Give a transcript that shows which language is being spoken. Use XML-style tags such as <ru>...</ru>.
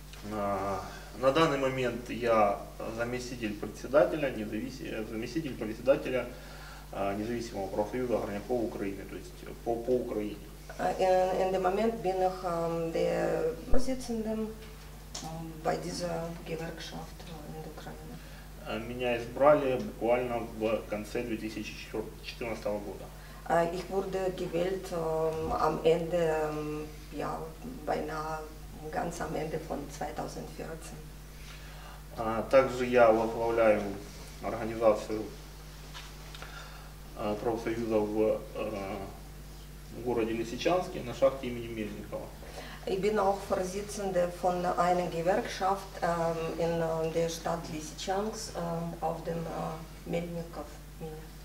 <ru>На данный момент я заместитель председателя независимого профсоюза горняков Украины, то есть по Украине.</ru> <en>In the moment</en> <de>bin ich der Vorsitzende bei dieser Gewerkschaft in der Ukraine.</de> <ru>Меня избрали буквально в конце 2014 года.</ru> <de>Ich wurde gewählt am Ende, ja, beinahe ganz am Ende von 2014.</de> <ru>Также я возглавляю организацию профсоюза в городе Лисичанске на шахте имени Мельникова.</ru> <de>Ich bin auch Vorsitzende von einer Gewerkschaft in der Stadt Lisichansk auf dem Мельников-Мине.</de>